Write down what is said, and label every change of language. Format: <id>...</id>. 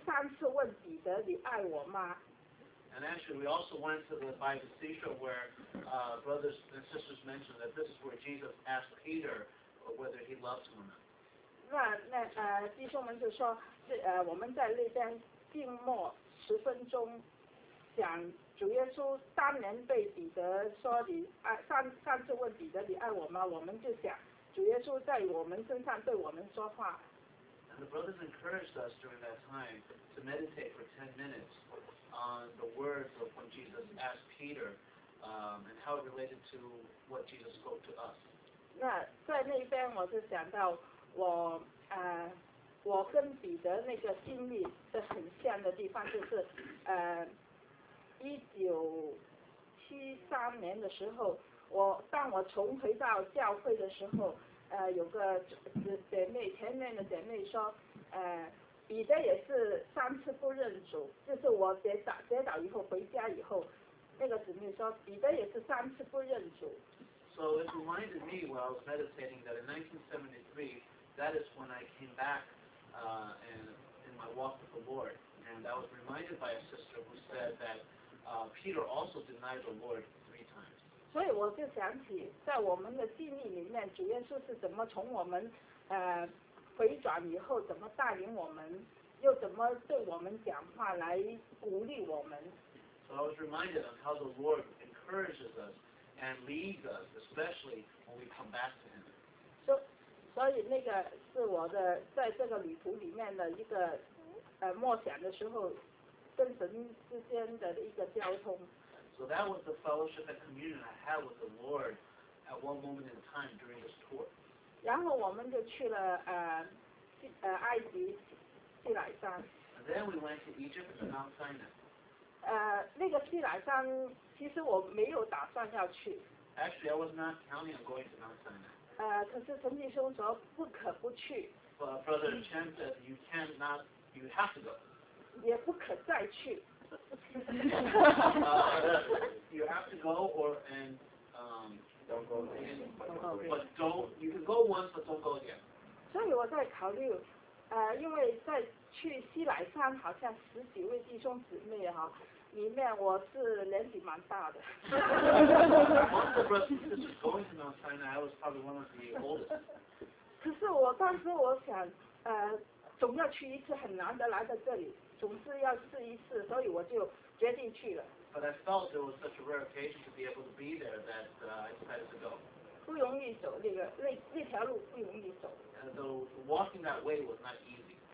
<zh>在那个以色列那个地方，有一个地方有一个海滩，弟兄们说这就是主耶稣三次问彼得你爱我吗？</zh> <en>And actually, we also went to the by the seashore where brothers and sisters mentioned that this is where Jesus asked Peter whether he loves him or not.</en> <zh>那弟兄们就说，我们在那边静默十分钟。讲主耶稣当年被彼得说你爱，三次问彼得你爱我吗？我们就想主耶稣在我们身上对我们说话。</zh> <en>And the brothers encouraged us during that time to meditate for 10 minutes on the words of when Jesus asked Peter and how it related to what Jesus spoke to us.</en> <zh>那在那边我就想到我跟彼得那个经历是很像的地方，就是 1973年的时候，我当我重回到教会的时候，有个姐妹，前面的姐妹说，彼得也是三次不认主，就是我跌倒以后回家以后，那个姊妹说彼得也是三次不认主。</zh> <en>So it reminded me while I was meditating that in 1973, that is when I came back in my walk with the Lord. And I was reminded by a sister who said that Peter also denied the Lord three times.</en> <zh>所以我就想起在我们的经历里面主耶稣是怎么从我们回转以后怎么带领我们又怎么对我们讲话来鼓励我们。</zh> <en>So I was reminded of how the Lord encourages us and leads us, especially when we come back to Him.</en> <zh>So, 所以那个是我的在这个旅途里面的一个默想的时候跟神之间的一个交通。</zh> <en>So that was the fellowship and communion I had with the Lord at one moment in time during this tour.</en> <zh>然后我们就去了埃及西乃山。</zh> <en>And then we went to Egypt and Mount Sinai.</en> <zh>那个西乃山其实我没有打算要去。</zh> <en>Actually, I was not counting on going to Mount Sinai.</en> <zh>可是陈弟兄说不可不去。</zh> <en>But Brother Chen said you cannot, you have to go.</en> <zh>也不可再去。</zh> <en>you have to go or and don't go again. But don't, you can go once, but don't go again.</en> <zh>所以我在考虑，因为在去西乃山好像十几位弟兄姊妹哈。里面我是年纪蛮大的。可是我当时我想，总要去一次，很难得来到这里，总是要试一次，所以我就决定去了。</zh> <en>But I felt there was such a rare occasion to be able to be there that I decided to go.</en> <zh>不容易走那条路不容易走。</zh> <en>And so walking that way was not easy.</en>